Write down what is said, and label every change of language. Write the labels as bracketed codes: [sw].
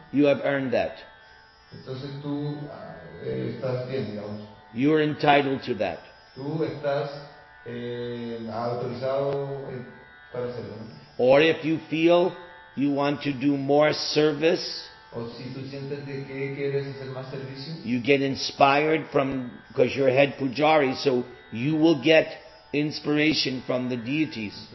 [en] you have earned that. [es] Entonces tú, estás bien, digamos. [en] You are entitled to that. [es] Tú estás, autorizado, para hacerlo, ¿no? [en] Or if you feel you want to do more service, [es] o si tú sientes de que quieres hacer más servicio, [en] you get inspired from, because you're head pujari, so you will get inspiration from the deities.